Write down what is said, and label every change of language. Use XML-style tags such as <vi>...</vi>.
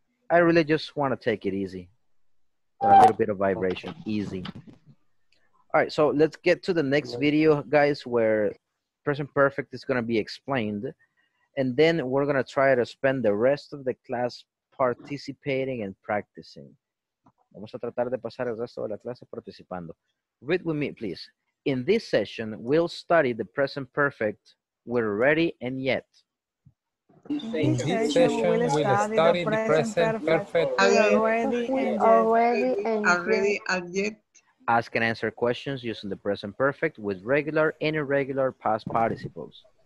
<en>I really just want to take it easy. A little bit of vibration, easy. All right, so let's get to the next video, guys, where present perfect is going to be explained. And then we're going to try to spend the rest of the class participating and practicing.</en> <es>Vamos a tratar de pasar el resto de la clase participando.</es> <en>Read with me, please. In this session, we'll study the present perfect with ready and yet. In this session, we'll study the present perfect with ready and yet. Ask and answer questions using the present perfect with regular and irregular past participles.</en>